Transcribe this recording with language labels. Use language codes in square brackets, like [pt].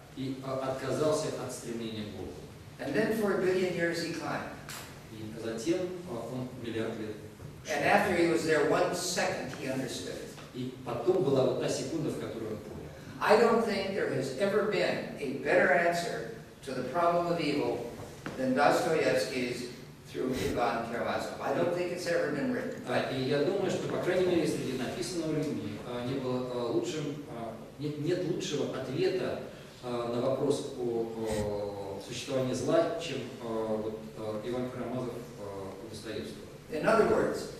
[ru] И отказался от стремления к Богу. [en] And then for a billion years he climbed. [ru] И затем он миллиард лет. [en] And after he was there one second he understood. [ru] И потом была вот та секунда, в которую он понял. [en] I don't think there has ever been a better answer to the problem of evil than Dostoevsky's through Ivan Karamazov. I don't think it's ever been written. [ru] И я думаю, что по крайней мере среди написанного людьми не было лучшим. Нет лучшего ответа на вопрос о существовании зла, чем Иван Карамазов у Достоевского. [en] In other words,